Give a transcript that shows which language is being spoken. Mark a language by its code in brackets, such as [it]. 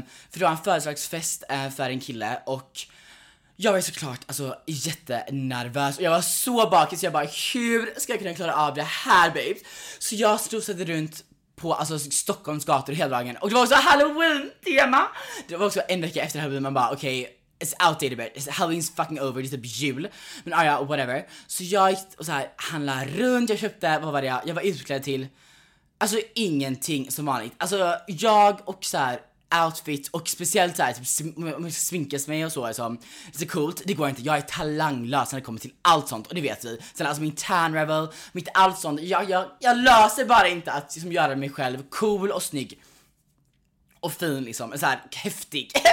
[sv] För det var en födelsedagsfest för en kille. Och jag var ju såklart, alltså, jättenervös. Och jag var så bakis. Så jag bara, hur ska jag kunna klara av det här, babe? Så jag strosade runt på, alltså, Stockholms gator hela dagen. Och det var också Halloween-tema. Det var också en vecka efter Halloween. Man bara, okej, [en] it's outdated a bit. Halloween's fucking over. [sv] Det är typ jul. Men ja, whatever. Så jag gick och så här handlade runt. Jag köpte, vad var det? Jag var utklädd till, alltså, ingenting som vanligt. Alltså jag och så här outfit, och speciellt såhär typ, sminkas mig och så, alltså, det är coolt. Det går inte, jag är talanglös när det kommer till allt sånt. Och det vet vi. Sen alltså min tan revel, mitt allt sånt, jag löser bara inte att liksom göra mig själv cool och snygg och fin liksom, så här häftig.